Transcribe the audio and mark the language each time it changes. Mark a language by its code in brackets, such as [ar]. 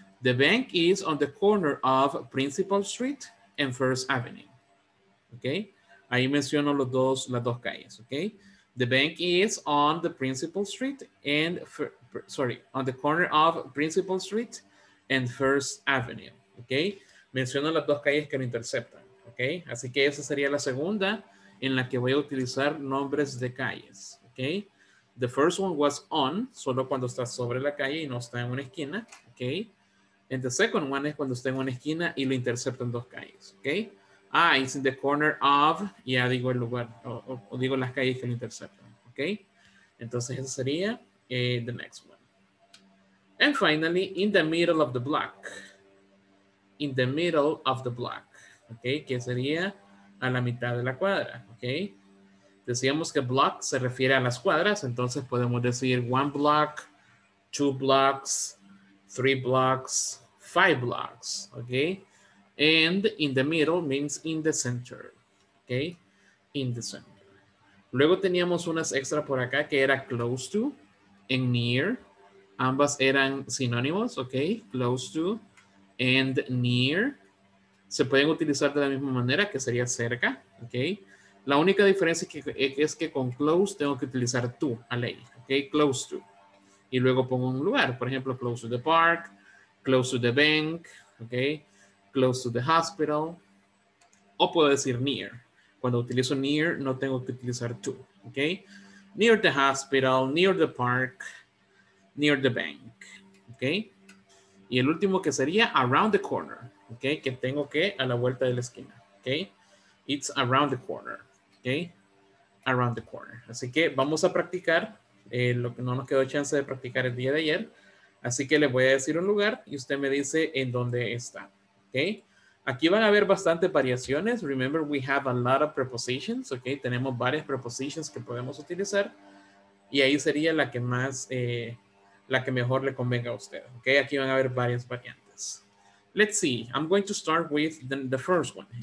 [en] The bank is on the corner of Principal Street and First Avenue, ¿ok? [es] Ahí menciono las dos calles, ¿ok? [en] The bank is on the Principal Street and, on the corner of Principal Street and First Avenue, ¿ok? [es] Menciono las dos calles que lo interceptan, ¿ok? Así que esa sería la segunda en la que voy a utilizar nombres de calles, ¿ok? [en] The first one was on, [es] solo cuando está sobre la calle y no está en una esquina, ¿ok? [en] And the second one [es] es cuando está en una esquina y lo interceptan dos calles, ¿ok? Ah, [en] it's in the corner of, [es] ya digo el lugar, o digo las calles que lo interceptan, ¿ok? Entonces esa sería [en] the next one. And finally, in the middle of the block. In the middle of the block, ¿ok? [es] Que sería a la mitad de la cuadra, ¿ok? Decíamos que block se refiere a las cuadras, entonces podemos decir [en] one block, two blocks, three blocks, five blocks, [es] ¿ok? [en] And in the middle means in the center, ¿ok? In the center. [es] Luego teníamos unas extra por acá que era close to and near. Ambas eran sinónimos, ¿ok? Close to and near. Se pueden utilizar de la misma manera, que sería cerca, ¿ok? La única diferencia es que con close tengo que utilizar to, a ley, ¿ok? [en] Close to. [es] Y luego pongo un lugar, por ejemplo, [en] close to the park, close to the bank, ¿ok? Close to the hospital. [es] O puedo decir [en] near. [es] Cuando utilizo near, no tengo que utilizar to, ¿ok? [en] Near the hospital, near the park, near the bank, ¿ok? [es] Y el último que sería around the corner, ¿ok? Que tengo que a la vuelta de la esquina, ¿ok? [en] It's around the corner, [es] ¿ok? Around the corner. Así que vamos a practicar. Lo que no nos quedó chance de practicar el día de ayer. Así que les voy a decir un lugar y usted me dice en dónde está. [en] Okay. [es] Aquí van a haber bastantes variaciones. [en] Remember, we have a lot of prepositions. Okay. [es] Tenemos varias prepositions que podemos utilizar. Y ahí sería la que más, la que mejor le convenga a usted. Okay. Aquí van a haber varias variantes. [en] Let's see. I'm going to start with the first one.